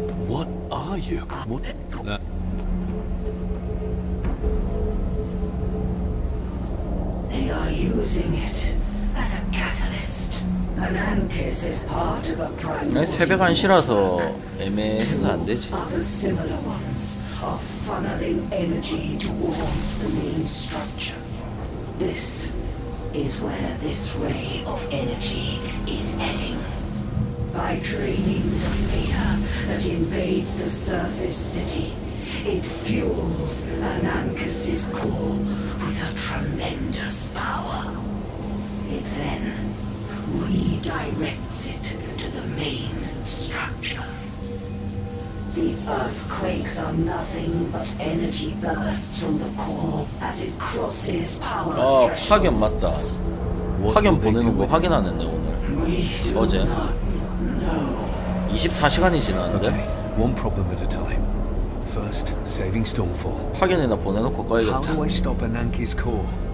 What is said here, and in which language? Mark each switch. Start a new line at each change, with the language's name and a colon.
English: What are you? What? They are using it as a catalyst. An Ankus is part of a primordial.
Korean: 새벽 1시라서 애매해서 안 되지.
English: Other similar ones are funneling energy towards the main structure. This is where this ray of energy is heading. By draining the fear that invades the surface city, it fuels Anankus' core with a tremendous power. It then redirects it to the main structure. The earthquakes are nothing but energy bursts from the core as it crosses power thresholds.
Korean: 확연 맞다. 확연 보내는 거 확인 안 했네 오늘. 어제. 24시간이 지났는데.
English: Okay. One problem at a time. First, saving Stormfall.
Korean: 파견이나 보내놓고 가야겠다.
English: How do I stop Ananke's core?